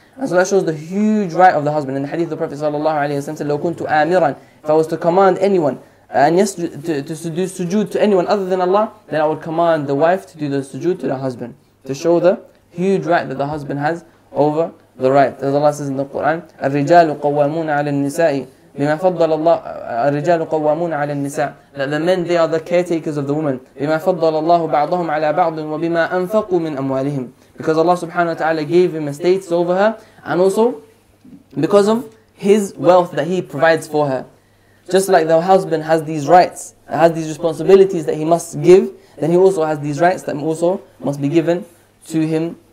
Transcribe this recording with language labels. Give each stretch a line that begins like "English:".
English: And so that shows the huge right of the husband. In the hadith of the Prophet sallallahu alayhi wa sallam said,
Arabic: لَوْ كُنْتُ آمِرًا.
English: If I was to command anyone, and yes, to do sujood to anyone other than Allah, then I would command the wife to do the sujood to the husband. To show the huge right that the husband has over the right. As Allah says in the Quran,
Arabic: الرجال قوامون على النساء بما فضل الله الرجال قوامون على النساء.
English: That the men, they are the caretakers of the woman.
Arabic: بما فضل الله بعضهم على بعض وبما أنفقوا من أموالهم.
English: Because Allah subhanahu wa ta'ala gave him estates over her, and also because of his wealth that he provides for her. Just like the husband has these rights, has these responsibilities that he must give, then he also has these rights that also must be given to him.